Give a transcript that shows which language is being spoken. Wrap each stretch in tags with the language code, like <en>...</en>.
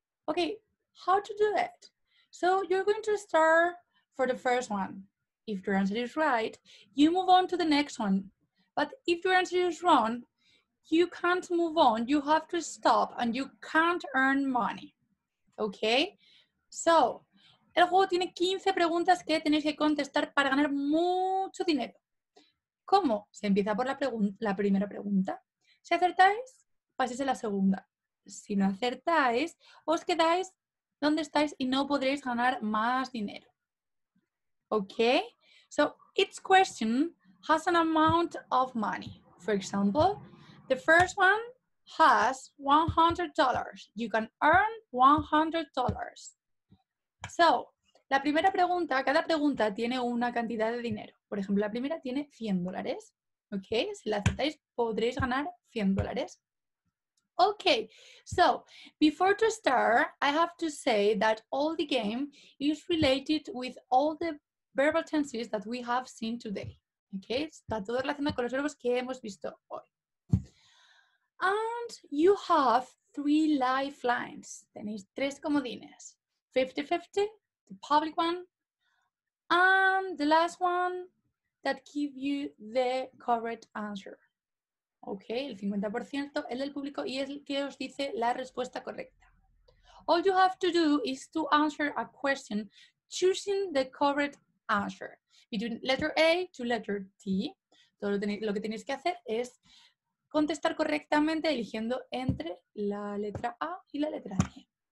<en>Okay, how to do it? So, you're going to start for the first one. If your answer is right, you move on to the next one. But if your answer is wrong, you can't move on, you have to stop, and you can't earn money, okay?</en> <es>So, el juego tiene 15 preguntas que tenéis que contestar para ganar mucho dinero. ¿Cómo? Se empieza por la primera pregunta. Si acertáis, pasáis a la segunda. Si no acertáis, os quedáis donde estáis y no podréis ganar más dinero, okay?</es> <en>So, each question has an amount of money. For example, the first one has $100. You can earn $100.</en> <es>So, la primera pregunta, cada pregunta tiene una cantidad de dinero. Por ejemplo, la primera tiene $100. Ok, si la aceptáis, podréis ganar $100.</es> <en>Ok, so, before to start, I have to say that all the game is related with all the verbal tenses that we have seen today.</en> <es>Ok, está todo relacionado con los verbos que hemos visto hoy.</es> <en>And you have three lifelines.</en> <es>Tenéis tres comodines. 50-50,</es> <en>the public one. And the last one that give you the correct answer.</en> <es>Ok, el 50% es del público y es el que os dice la respuesta correcta.</es> <en>All you have to do is to answer a question choosing the correct answer. Between letter A to letter T,</en> <es>todo lo que tenéis que hacer es contestar correctamente eligiendo entre la letra A y la letra T.</es>